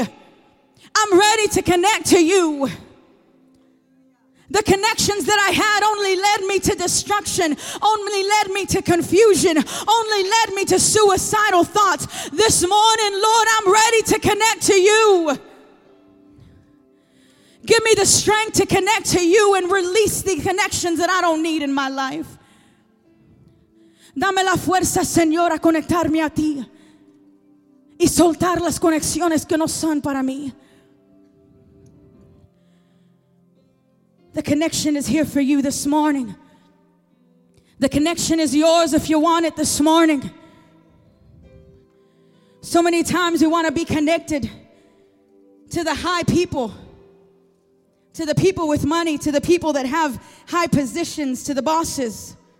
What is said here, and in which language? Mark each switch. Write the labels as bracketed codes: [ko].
[en] I'm ready to connect to you. The connections that I had only led me to destruction, only led me to confusion, only led me to suicidal thoughts. This morning, Lord, I'm ready to connect to you. Give me the strength to connect to you and release the connections that I don't need in my life. [es] Dame la fuerza, Señor, a conectarme a ti. Y soltar las conexiones que no son para mí. [en] The connection is here for you this morning. The connection is yours if you want it this morning. So many times we want to be connected to the high people, to the people with money, to the people that have high positions, to the bosses.